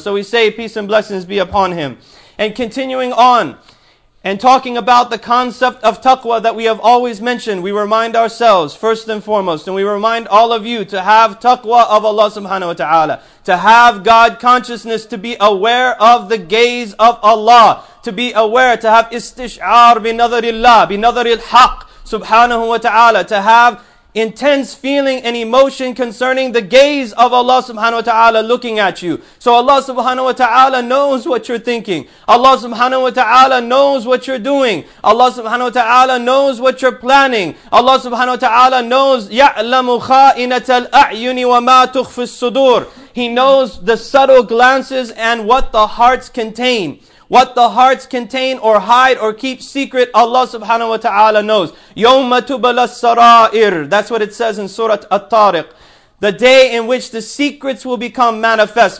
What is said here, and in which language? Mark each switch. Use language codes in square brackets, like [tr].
[en] So we say peace and blessings be upon him. And continuing on, and talking about the concept of taqwa that we have always mentioned, we remind ourselves first and foremost, and we remind all of you to have taqwa of Allah subhanahu wa ta'ala, to have God consciousness, to be aware of the gaze of Allah, to be aware, to have [ar] istish'ar bi nadharillah, bi nadharil haq [en] subhanahu wa ta'ala, to have intense feeling and emotion concerning the gaze of Allah subhanahu wa ta'ala looking at you. So Allah subhanahu wa ta'ala knows what you're thinking. Allah subhanahu wa ta'ala knows what you're doing. Allah subhanahu wa ta'ala knows what you're planning. Allah subhanahu wa ta'ala knows, [ar] يَعْلَمُ خَائِنَةَ الْأَعْيُنِ وَمَا تُخْفِ الصُّدُورِ. [en] He knows the subtle glances and what the hearts contain. What the hearts contain or hide or keep secret, Allah subhanahu wa ta'ala knows. [ar] يَوْمَ تُبَلَ السَّرَائِرِ. [en] That's what it says in Surah At-Tariq. The day in which the secrets will become manifest.